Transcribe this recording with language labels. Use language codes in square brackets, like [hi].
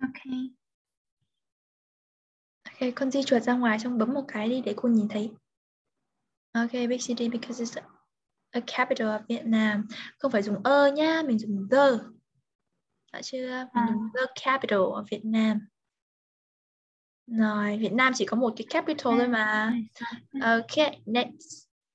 [vi] okay. Okay, con di chuột ra ngoài xong bấm một cái đi để cô nhìn thấy. [en] Okay, big city because it's a capital of Vietnam. [vi] Không phải dùng ơ nhá, mình dùng the. Đã chưa? Mình dùng [en] the capital of Vietnam. [vi] Rồi, Việt Nam chỉ có một cái capital thôi mà. [en] Okay, next.